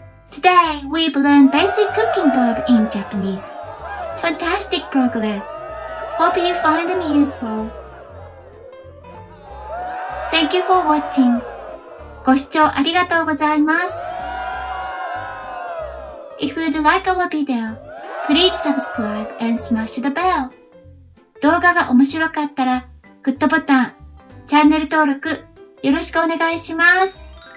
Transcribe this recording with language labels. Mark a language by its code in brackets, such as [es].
[en] Today we've learned basic cooking verb in Japanese. Fantastic progress! Hope you find them useful. Thank you for watching. [ja] ご視聴ありがとうございます。 [en] If you'd like our video, please subscribe and smash the bell. [ja] 動画が面白かったらグッドボタン、チャンネル登録よろしくお願いします。